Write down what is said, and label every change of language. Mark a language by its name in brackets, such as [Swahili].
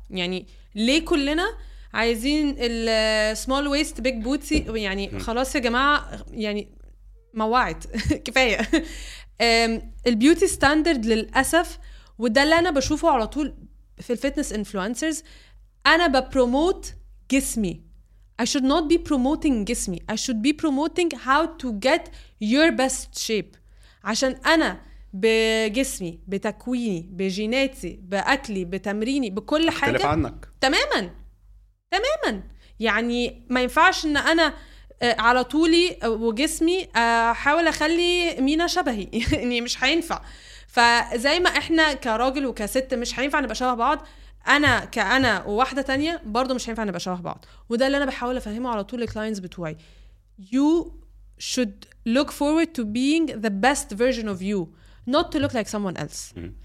[Arabic] يعني ليه كلنا عايزين السمول ويست بيج بوتي؟ يعني خلاص يا جماعه, يعني موعد. كفايه. البيوتي ستاندرد للاسف, وده اللي انا بشوفه على طول في الفيتنس انفلونسرز, انا ببروموت جسمي. [English] I should not be promoting جسمي, I should be promoting how to get your best shape. [Arabic] عشان انا بجسمي بتكويني بجيناتي بأكلي بتمريني بكل حاجة عنك. تماما تماما. يعني ما ينفعش ان انا على طولي وجسمي احاول اخلي مينا شبهي يعني مش هينفع. فزي ما احنا كراجل وكست مش هينفع نبقى شبه بعض, انا كأنا وواحدة تانية برضو مش هينفع نبقى شبه بعض. وده اللي انا بحاول افهمه على طول الكلاينز بتوعي. [English] You should look forward to being the best version of you, not to look like someone else.